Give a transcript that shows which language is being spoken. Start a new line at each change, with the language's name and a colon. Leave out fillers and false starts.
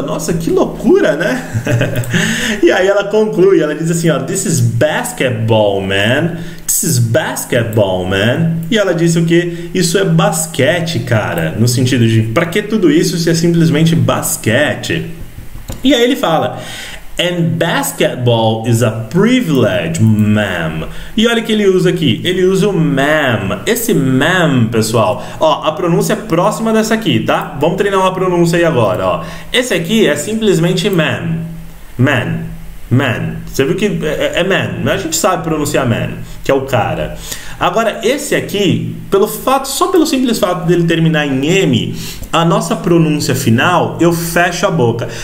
Portuguese: Nossa, que loucura, né? E aí ela conclui, ela diz assim, ó,
English: This is basketball, man.
Portuguese: E ela disse o quê? Isso é basquete, cara. No sentido de, pra que tudo isso se é simplesmente basquete? E aí ele fala,
English: and basketball is a privilege, ma'am.
Portuguese: E olha o que ele usa aqui. Ele usa o ma'am. Esse ma'am, pessoal. Ó, a pronúncia é próxima dessa aqui, tá? Vamos treinar uma pronúncia aí agora, ó. Esse aqui é simplesmente ma'am. Ma'am. Man, você viu que é man, a gente sabe pronunciar man, que é o cara. Agora, esse aqui, pelo fato, só pelo simples fato dele terminar em M, a nossa pronúncia final, eu fecho a boca.